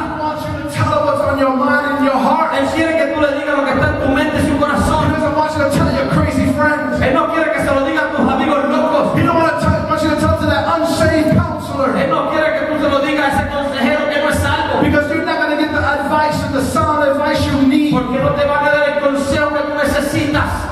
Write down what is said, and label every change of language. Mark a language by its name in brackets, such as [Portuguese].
[English] He wants you to tell what's on your mind and your heart. [Spanish] Él quiere que tú le digas lo que está en tu mente y su corazón. [English] He doesn't want you to tell your crazy friends. [Spanish] Él no quiere que se lo diga a tus amigos locos. [English] He don't want to want you to tell to that unsaved counselor. [Spanish] Él no quiere que tú se lo digas a ese consejero que no es salvo. [English] Because you're not going to get the advice and the sound advice you need. [Spanish] Porque no te va a dar el consejo que tú necesitas.